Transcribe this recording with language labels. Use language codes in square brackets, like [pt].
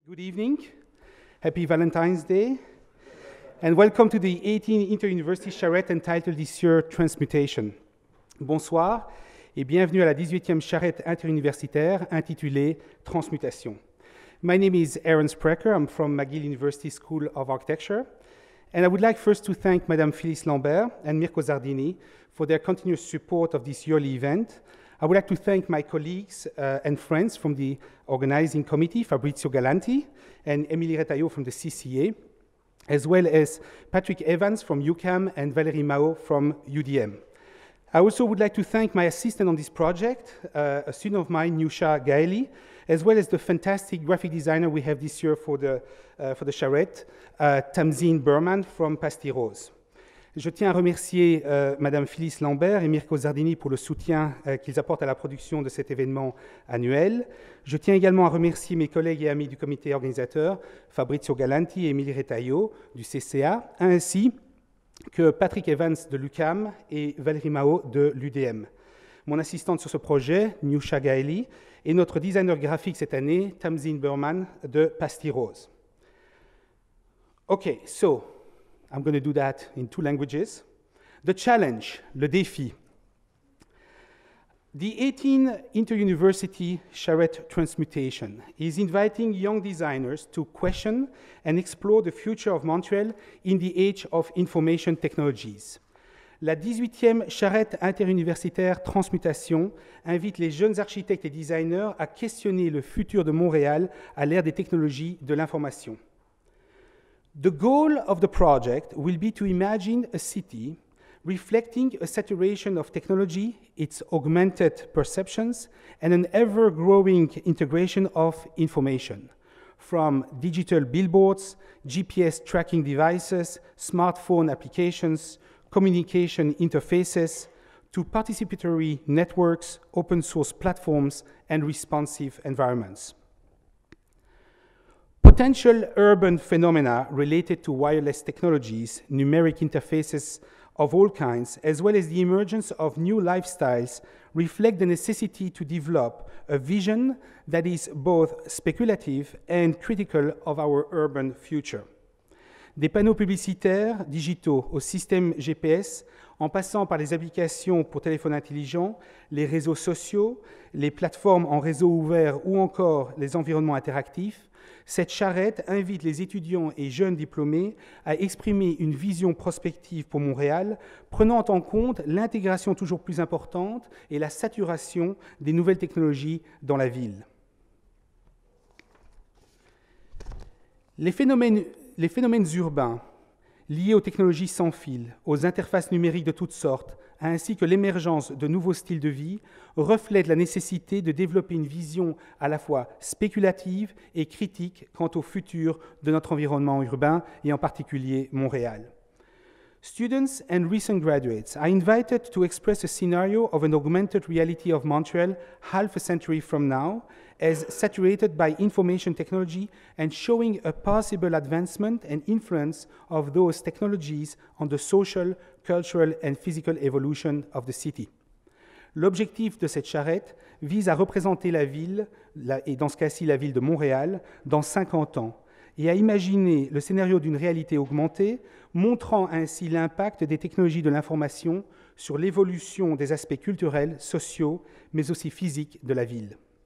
[en] Good evening, happy Valentine's Day, and welcome to the 18th Inter-University Charrette entitled this year, Transmutation. [fr] Bonsoir, et bienvenue à la 18e Charrette Interuniversitaire intitulée Transmutation. [en] My name is Aaron Sprecher, I'm from McGill University School of Architecture, and I would like first to thank Madame Phyllis Lambert and Mirko Zardini for their continuous support of this yearly event. I would like to thank my colleagues and friends from the organizing committee, Fabrizio Galanti and Emily Retailleau from the CCA, as well as Patrick Evans from UCAM and Valerie Mao from UDM. I also would like to thank my assistant on this project, a student of mine, Nyusha Gaeli, as well as the fantastic graphic designer we have this year for the Charrette, Tamzin Berman from Pastirose. [fr] Je tiens à remercier Madame Phyllis Lambert et Mirko Zardini pour le soutien qu'ils apportent à la production de cet événement annuel. Je tiens également à remercier mes collègues et amis du comité organisateur, Fabrizio Galanti et Emilie Retailleau du CCA, ainsi que Patrick Evans de l'UCAM et Valérie Mao de l'UDM. Mon assistante sur ce projet, Nyusha Gaeli, et notre designer graphique cette année, Tamzin Berman de Pastirose. [en] Okay, so I'm going to do that in two languages. The challenge, [fr] le défi. [en] The 18th Inter-University Charrette Transmutation is inviting young designers to question and explore the future of Montreal in the age of information technologies. [fr] La 18e Charrette Interuniversitaire Transmutation invite les jeunes architectes et designers à questionner le futur de Montréal à l'ère des technologies de l'information. [en] The goal of the project will be to imagine a city reflecting a saturation of technology, its augmented perceptions, and an ever-growing integration of information, from digital billboards, GPS tracking devices, smartphone applications, communication interfaces, to participatory networks, open source platforms, and responsive environments. Potential urban phenomena related to wireless technologies, numeric interfaces of all kinds, as well as the emergence of new lifestyles, reflect the necessity to develop a vision that is both speculative and critical of our urban future. [fr] Des panneaux publicitaires digitaux au système GPS, en passant par les applications pour téléphone intelligent, les réseaux sociaux, les plateformes en réseau ouvert ou encore les environnements interactifs, cette charrette invite les étudiants et jeunes diplômés à exprimer une vision prospective pour Montréal, prenant en compte l'intégration toujours plus importante et la saturation des nouvelles technologies dans la ville. Les phénomènes urbains liés aux technologies sans fil, aux interfaces numériques de toutes sortes, ainsi que l'émergence de nouveaux styles de vie, reflètent la nécessité de développer une vision à la fois spéculative et critique quant au futur de notre environnement urbain, et en particulier Montréal. [en] Students and recent graduates are invited to express a scenario of an augmented reality of Montreal half a century from now, as saturated by information technology and showing a possible advancement and influence of those technologies on the social, cultural and physical evolution of the city. [fr] L'objectif de cette charrette vise à représenter la ville, et dans ce cas-ci la ville de Montréal, dans 50 ans, et à imaginer le scénario d'une réalité augmentée, montrant ainsi l'impact des technologies de l'information sur l'évolution des aspects culturels, sociaux, mais aussi physiques de la ville.